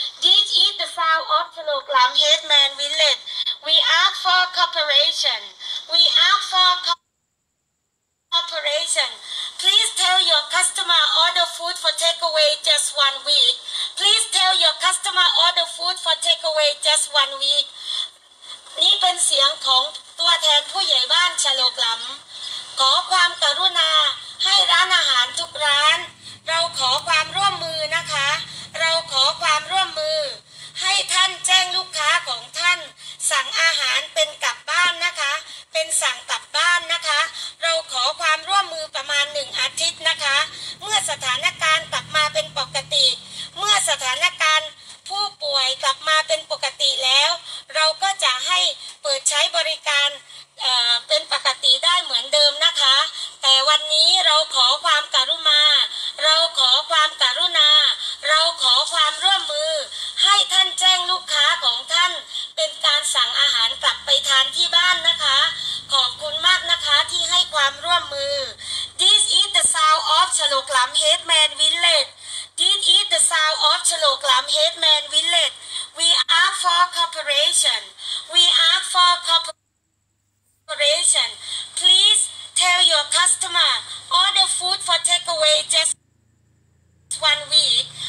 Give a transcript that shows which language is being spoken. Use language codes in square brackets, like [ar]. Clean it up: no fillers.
[en] This is the sound of Chaloklam Headman Village. We ask for cooperation. We ask for cooperation. Please tell your customer order food for takeaway just 1 week. Please tell your customer order food for takeaway just 1 week. [th] นี่เป็นเสียงของตัวแทนผู้ใหญ่บ้านชะโลกลำขอความกรุณาให้ร้านอาหารทุกร้านเราขอความร่วมมือนะคะเราขอความร่วมมือ ให้ท่านแจ้งลูกค้าของท่านสั่งอาหารเป็นกลับบ้านนะคะเป็นสั่งกลับบ้านนะคะเราขอความร่วมมือประมาณ1 อาทิตย์นะคะเมื่อสถานการณ์กลับมาเป็นปกติเมื่อสถานการณ์ผู้ป่วยกลับมาเป็นปกติแล้วเราก็จะให้เปิดใช้บริการ เป็นปกติได้เหมือนเดิมนะคะแต่วันนี้เราขอความกรุณาเราขอความกรุณาเราขอความร่วมมือให้ท่านแจ้งลูกค้าของท่านเป็นการสั่งอาหารกลับไปทานที่บ้านนะคะขอบคุณมากนะคะที่ให้ความร่วมมือ [en] This is the sound of Chaloklam Headman Village. This is the sound of Chaloklam Headman Village. We ask for cooperation. We ask for cooperation. Please tell your customer order food for takeaway just 1 week.